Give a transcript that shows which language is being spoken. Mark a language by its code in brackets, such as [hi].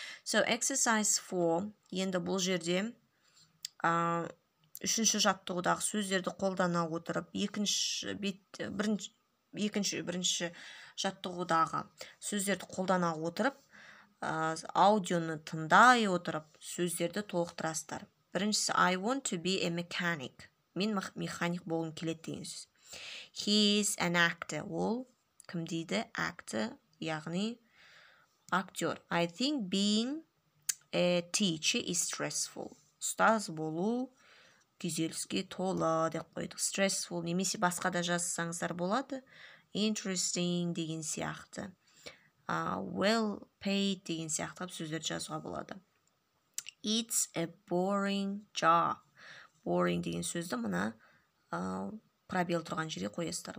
[en] So, exercise 4, [kk] енді бұл жерде үшінші жаттығудағы сөздерді қолдана отырып, бірінші жаттығудағы сөздерді қолдана отырып, аудионы тыңдай отырып, сөздерді толықтырастар. Біріншісі, [en] I want to be a mechanic. [kk] Мен механик болғым келеді деген сөз. [en] He is an actor. [kk] Ол, кім дейді? Actor, яғни актер. [en] I think being a teacher is stressful. [kk] Ұстаз болу күйзеліске толы деп қойды. Stressful немесе басқа да жазсаңыздар болады. Interesting деген сияқты. Well paid деген сияқты сөздерді жазуға болады. [en] It's a boring job. [kk] Boring деген сөзді мына пробел тұрған жерге қоясыздар.